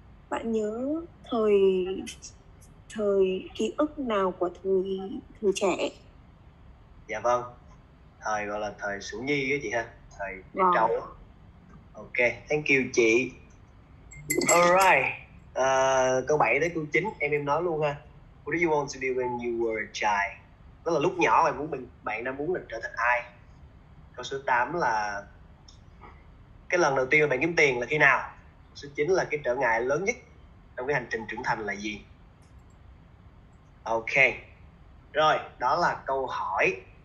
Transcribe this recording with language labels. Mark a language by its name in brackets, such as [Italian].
[Vietnamese] Bạn nhớ thời ký ức nào của thời trẻ? Dạ vâng. Thời gọi là thời Sủ Nhi á chị ha. Thời trẻ trâu. [English] Ok, thank you [Vietnamese] chị. [English] Alright. [Vietnamese] Câu 7 tới câu 9 em nói luôn ha. [English] What do you want to be when you were a child? [Vietnamese] Đó là lúc nhỏ bạn muốn mình, bạn đang muốn mình trở thành ai? Câu số 8 là cái lần đầu tiên mà bạn kiếm tiền là khi nào? Câu số 9 là cái trở ngại lớn nhất trong cái hành trình trưởng thành là gì? Ok. Rồi, đó là câu hỏi.